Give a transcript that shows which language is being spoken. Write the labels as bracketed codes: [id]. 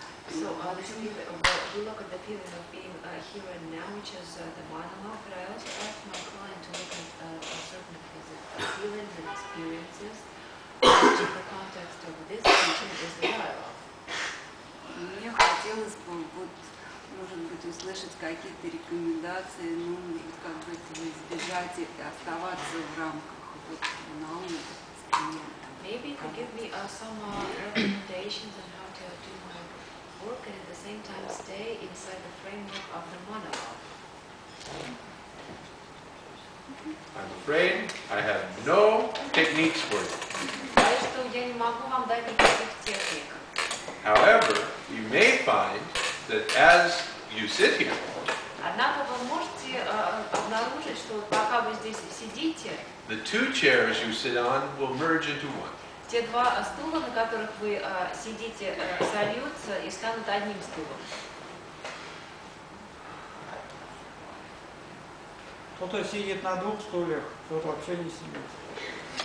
[en] So we look at the feeling of being here and now, which is the monologue, but I also ask my client to look at a certain feelings and experiences, which in the context of this teaching is the dialogue. [ru] Мне хотелось бы, вот, может быть, услышать какие-то рекомендации, ну, может, как бы этого избежать и оставаться в рамках вот, монолога с клиентом. [en] Maybe you could give me some recommendations on how to do my work and at the same time stay inside the framework of the monologue. I'm afraid I have no techniques for it. However, you may find that as you sit here, [ru] однако вы можете обнаружить, что пока вы здесь сидите, [en] the two chairs you sit on will merge into one. [ru] Те два стула, на которых вы сидите, сольются и станут одним стулом. Кто-то сидит на двух стульях, кто-то вообще не сидит.